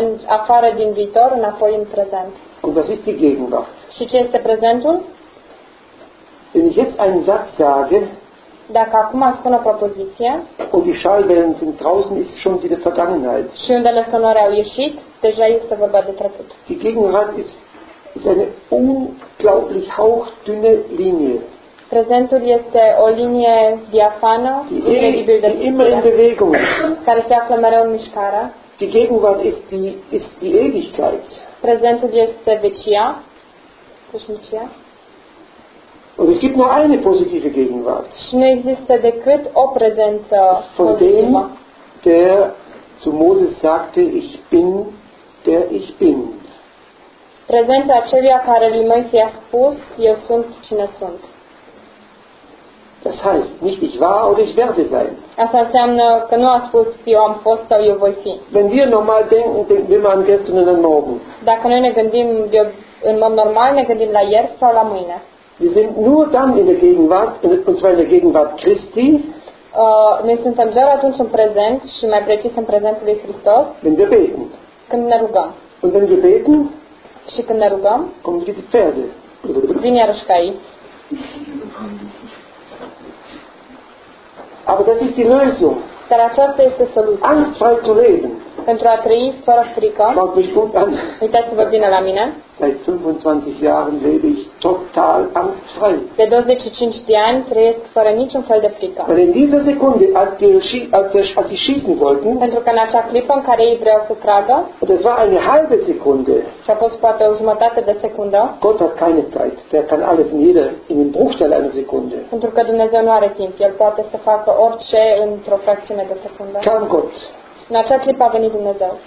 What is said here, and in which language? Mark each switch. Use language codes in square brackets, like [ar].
[ro] În afară din viitor, înapoi în prezent. [de] Und was ist die Gegenwart? [ro] Și ce este prezentul? [de] Wenn ich jetzt einen Satz sage, [ro] dacă acum spun o propoziție, [de] und die Schallwellen sind draußen, ist schon wieder Vergangenheit. [ro] Și undele sonore au ieșit, deja este vorba de trecut. [de] Die Gegenwart ist eine unglaublich hauchdünne Linie. [ro] Prezentul este o linie diafană, [de] immer in Bewegung, [ro] care se află mereu în mișcare. [de] Die Gegenwart ist die Ewigkeit. [ro] Prezentul este vecia, veșnicia. [de] Und es gibt nur eine positive Gegenwart. [ro] Și nu există decât o prezență pozitivă. [de] Von dem, der zu Moses sagte, ich bin, der ich bin. [ro] Prezența aceluia care lui Moise i-a spus, eu sunt cine sunt. [de] Das heißt, nicht ich war oder ich werde sein. [ro] Asta înseamnă că nu a spus eu am fost sau eu voi fi. [de] Wenn wir normal denken, denken wir an gestern und an morgen. [ro] Dacă noi ne gândim în mod normal, ne gândim la ieri sau la mâine. [de] Wir sind nur dann in der Gegenwart, und zwar in der Gegenwart Christi. [ro] Noi suntem doar atunci în prezent și mai precis în prezentul lui Hristos. [de] Wenn wir beten. [ro] Când ne rugăm. [de] Und wenn wir beten. [ro] Și când ne rugăm. [de] Kommen wir die Verse. [ro] Vin iarăși ca ei. [de] Aber das ist die Lösung. [ro] Dar aceasta este soluția. [de] Angstfrei zu leben. [ro] Pentru a trăi fără frică. [de] Schaut mich gut an. [ro] Uitați-vă bine la mine. [de] Seit 25 Jahren lebe ich total angstfrei. [ro] De 25 de ani trăiesc fără niciun fel de frică. [de] Weil in dieser Sekunde, als sie schießen wollten. [ro] Pentru că în acea clipă în care ei vreau să tragă. [de] Und das war eine halbe Sekunde. [ro] Și a fost poate o jumătate de secundă. [de] Gott hat keine Zeit. Der kann alles in den Bruchteil einer Sekunde. [ro] Pentru că Dumnezeu nu are timp. El poate să facă orice într-o fracțiune de secundă. [de] Kam Gott. [ro] În acea clipă a venit Dumnezeu.